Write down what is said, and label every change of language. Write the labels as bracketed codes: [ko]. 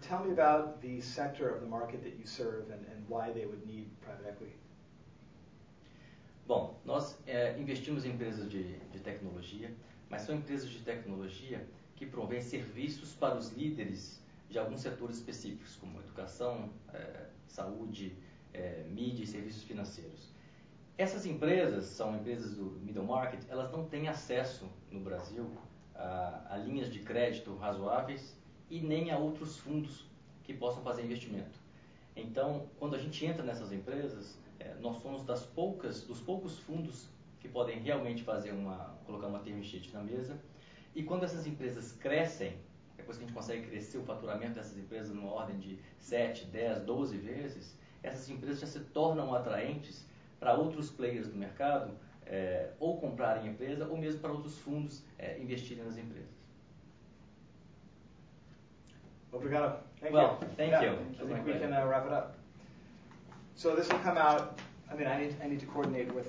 [en] Tell me about the sector of the market that you serve and why they would need private equity. [pt] Bom, nós investimos em empresas de tecnologia, mas são empresas de tecnologia que provêm serviços para os líderes de alguns setores específicos, como educação, saúde, mídia e serviços financeiros. Essas empresas, são empresas do middle market, elas não têm acesso no Brasil a linhas de crédito razoáveis e nem a outros fundos que possam fazer investimento. Então, quando a gente entra nessas empresas... nós somos dos poucos fundos que podem realmente colocar uma term sheet na mesa. E quando essas empresas crescem, depois que a gente consegue crescer o faturamento dessas empresas numa ordem de 7, 10, 12 vezes, essas empresas já se tornam atraentes para outros players do mercado ou comprarem a empresa ou mesmo para outros fundos investirem nas empresas. Obrigado. [en] Thank you. I think we can wrap it up. So this will come out, I need to coordinate with...